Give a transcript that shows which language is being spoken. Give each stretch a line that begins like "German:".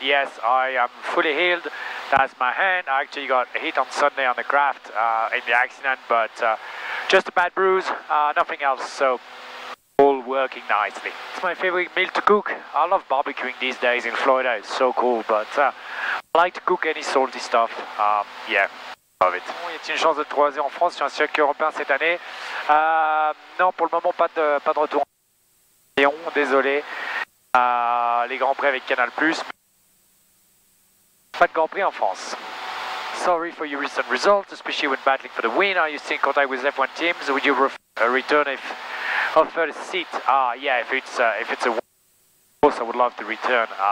English: Yes, I am fully healed. That's my hand. I actually got hit on Sunday on the craft in the accident, but just a bad bruise, nothing else, so all working nicely. It's my favorite meal to cook. I love barbecuing these days in Florida, it's so cool, but I like to cook any salty stuff. Love it.
French: Y a-t-il une chance de troisième en France sur un circuit européen cette année? Non, pour le moment, pas de retour. Désolé, les Grands Prix avec Canal+, mais pas de Grand Prix en France.
English: Sorry for your recent results, especially when battling for the win. Are you still in contact with F1 teams? Would you return if offered a seat? If it's a win, of course I would love to return.